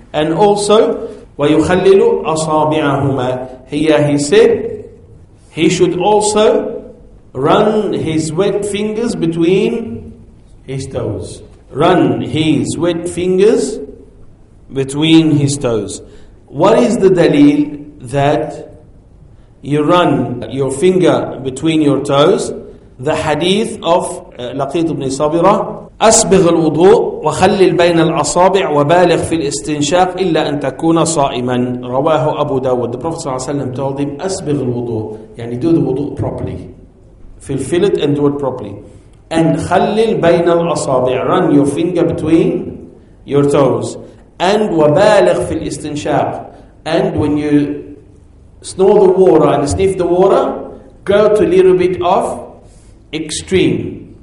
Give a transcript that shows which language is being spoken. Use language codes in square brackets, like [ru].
[en] And also, [ar] وَيُخَلِّلُ أَصَابِعَهُمَا [en] he said, he should also run his wet fingers between his toes. Run his wet fingers between his toes. What is the dalil that you run your finger between your toes? The hadith of [ar] Laqit ibn Sabira, أسبغ الوضوء وخلل بين الأصابع وبالغ في الاستنشاق إلا أن تكون صائما رواه أبو داود. [en] The Prophet صلى الله عليه وسلم told him, [ar] أسبغ الوضوء, [en] يعني do the wudu properly, fulfill it and do it properly, and [ar] خلل بين الأصابع, [en] run your finger between your toes, and [ar] وبالغ في الاستنشاق, [en] and when you snore the water and sniff the water, go to a little bit of extreme.